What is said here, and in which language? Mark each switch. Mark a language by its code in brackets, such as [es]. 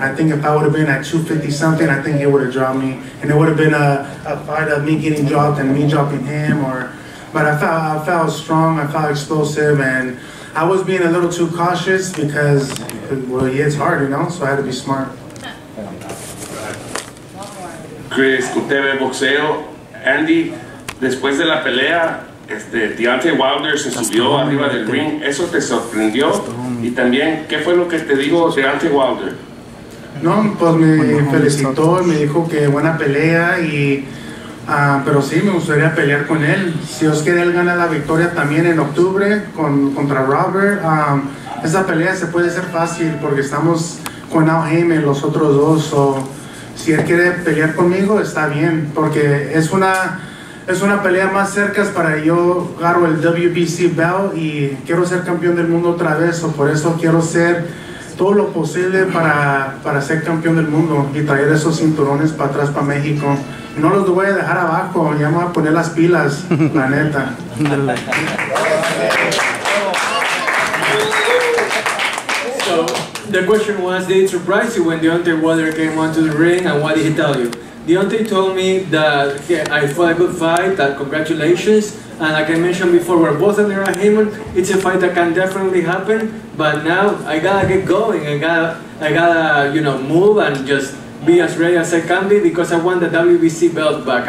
[en] I think if I would have been at 250 something, I think he would have dropped me, and it would have been a fight of me getting dropped and me dropping him. But I felt strong, I felt explosive, and I was being a little too cautious because, well, yeah, it's hard, you know, so I had to be smart. [es] Chris, usted ve boxeo. Andy, después de la pelea, Deontay Wilder se subió arriba del ring. ¿Eso te sorprendió? Y también, ¿qué fue lo que te dijo Deontay Wilder? No, pues me felicitó y me dijo que buena pelea y... pero sí, me gustaría pelear con él. Si Dios quiere, él gana la victoria también en octubre contra Robert. Esa pelea se puede hacer fácil porque estamos con Al Heyman, los otros dos. So, si él quiere pelear conmigo, está bien. Porque es una pelea más cerca para yo agarro el WBC belt y quiero ser campeón del mundo otra vez. So, por eso quiero hacer todo lo posible para ser campeón del mundo y traer esos cinturones para atrás, para México. No los voy a dejar abajo, ya me voy a poner las pilas, la neta. [en] So, the question was, did it surprise you when Deontay Wilder came onto the ring, and what did he tell you? Deontay told me that, yeah, I fought a good fight, that congratulations, and like I mentioned before, we're both under a Heyman, it's a fight that can definitely happen, but now I gotta get going, I gotta, you know, move and just be as ready as I can be because I want the WBC belt back.